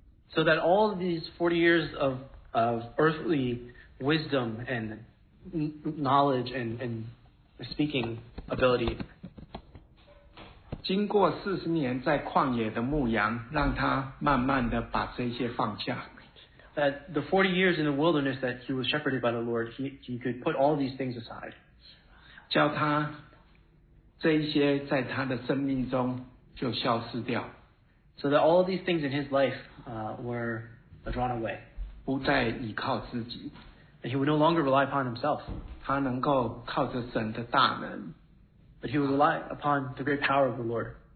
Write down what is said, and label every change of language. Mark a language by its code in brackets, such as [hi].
[en] so that all these 40 years of earthly wisdom and knowledge and speaking ability, [zh] 经过40年在旷野的牧羊，让他慢慢的把这些放下。 [en] That the 40 years in the wilderness that he was shepherded by the Lord, he could put all these things aside. [zh] 叫他这些在他的生命中就消失掉。 [en] So that all these things in his life were drawn away. [zh] 不再依靠自己。 [en] And he would no longer rely upon himself. [zh] 他能够靠着神的大能。 [en] But he would rely upon the great power of the Lord.